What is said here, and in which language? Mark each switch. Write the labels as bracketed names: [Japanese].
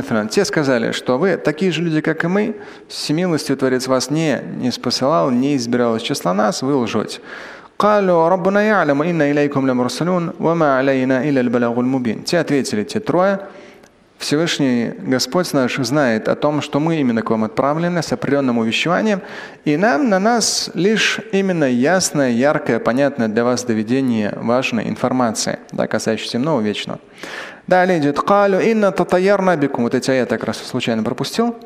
[Russian] Те сказали, что вы такие же люди, как и мы. Всемилостью Творец вас не спасал, не избирал из числа нас, вы лжете. [Arabic] قالوا ربنا يعلم إن إليكم لمرسلون وما علينا إلا البلاغ المبين. [Russian] Те ответили, те трое. Всевышний Господь наш знает о том, что мы именно к вам отправлены с определенным увещеванием, и нам на нас лишь именно ясное, яркое, понятное для вас доведение важной информации, да, касающейся Нового Вечного. Далее идет «Калю инна татаярна бикум». Вот эти аяты я как раз случайно пропустил.